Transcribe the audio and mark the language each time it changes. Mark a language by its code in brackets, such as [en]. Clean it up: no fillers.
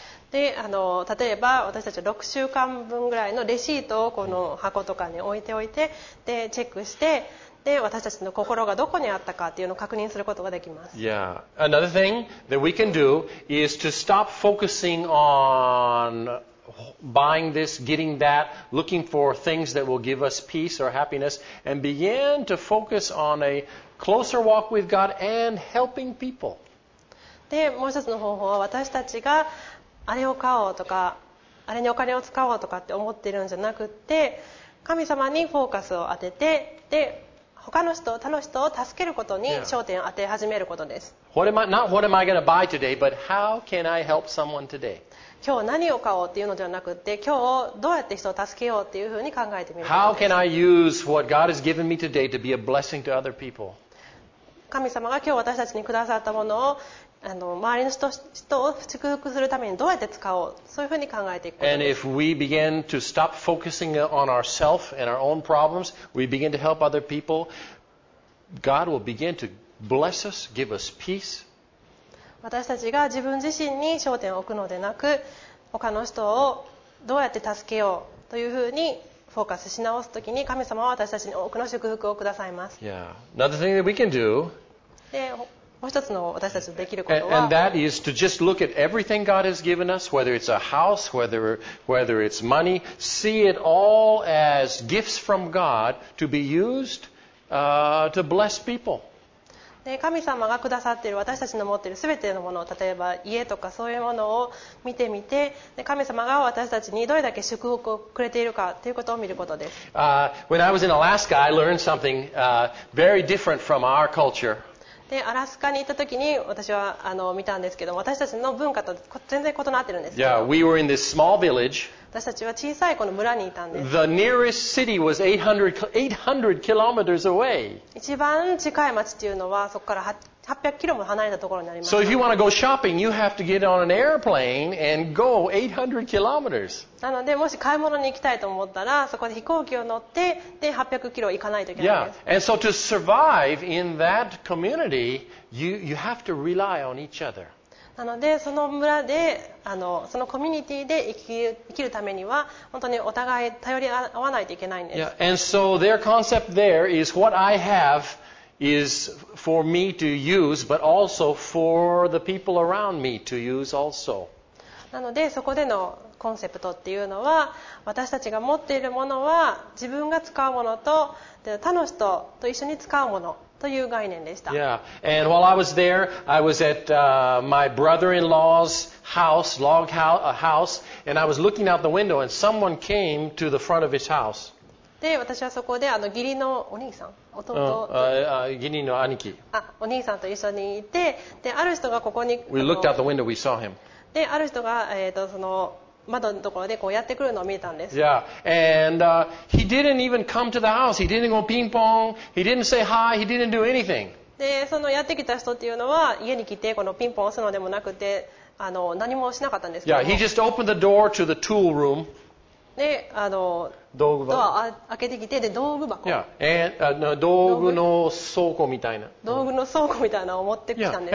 [ja] で、例えば私たちは6週間分ぐらいのレシートをこの箱とかに置いておいて、で、チェックして、で、私たちの心がどこにあったかっていうのを確認することができます。 [en] Yeah. Another thing that we can do is to stop focusing on buying this, getting that, looking for things that will give us peace or happiness, and begin to focus on a closer walk with God and helping people. [ja] で、もう一つの方法は私たちがあれを買おうとか、あれにお金を使おうとかって思ってるんじゃなくて、神様にフォーカスを当てて、で、他の人、他の人を助けることに焦点を当て始めることです。 [en] Not what am I going to buy today, but how can I help someone today? [ja] 今日何を買おうっていうのではなくて、今日どうやって人を助けようっていうふうに考えてみることです。 [en] How can I use what God has given me today to be a blessing to other people? [ja] 神様が今日私たちにくださったものを周りの人を祝福するためにどうやって使おう、そういうふうに考えていくことです。 [en] And if we begin to stop focusing on ourselves and our own problems, we begin to help other people, God will begin to bless us, give us peace. [ja] 私たちが自分自身に焦点を置くのでなく、他の人をどうやって助けようというふうにフォーカスし直すときに、神様は私たちに多くの祝福をくださいます。 [en] Yeah. Another thing that we can do. [ja] で、もう一つの私たちできることは、 [en] and that is to just look at everything God has given us, whether it's a house, whether it's money, see it all as gifts from God to be used to bless people. [ja] で、神様がくださっている私たちの持っているすべてのものを、例えば家とかそういうものを見てみて、で、神様が私たちにどれだけ祝福をくれているかということを見ることです。 [en] When I was in Alaska, I learned something very different from our culture. [ja] でアラスカに行った時に私は見たんですけど、私たちの文化と全然異なってるんですけど。 [en] Yeah, we were in this small village. [ja] 私たちは小さいこの村にいたんです。 [en] The nearest city was 800 kilometers away. [ja] 一番近い町っていうのはそこから800キロも離れたところになります。 [en] So if you want to go shopping, you have to get on an airplane and go 800 kilometers. [ja] なので、もし買い物に行きたいと思ったら、そこで飛行機を乗って、で、800キロ行かないといけないです。 [en] Yeah. And so to survive in that community, you have to rely on each other. [ja] なので、その村で、そのコミュニティで生きるためには、本当にお互い頼り合わないといけないんです。 [en] Yeah. And so their concept there is what I have is... for me to use, but also for the people around me to use also. [ja] なので、そこでのコンセプトっていうのは、私たちが持っているものは、自分が使うものと、他の人と一緒に使うものという概念でした。 [en] Yeah, and while I was there, I was at my brother-in-law's house, log house, and I was looking out the window, and someone came to the front of his house. [ja] で私はそこで義理のお兄さん弟義理の兄貴お兄さんと一緒にいてである人がここに [en] We looked out the window, we saw him. [ja] である人が、その窓のところでこうやってくるのを見えたんです [en] Yeah, and he didn't even come to the house. He didn't go ping pong. He didn't say hi. He didn't do anything. [ja] でそのやってきた人っていうのは家に来てこのピンポン押すのでもなくて何もしなかったんですけど [en] Yeah, he just opened the door to the tool room. [ja] で道具箱ドア開けてきてで道具箱、 [en] yeah. [ja] And, 道具の倉庫みたいな道具の倉庫みたいなのを持ってきたんです、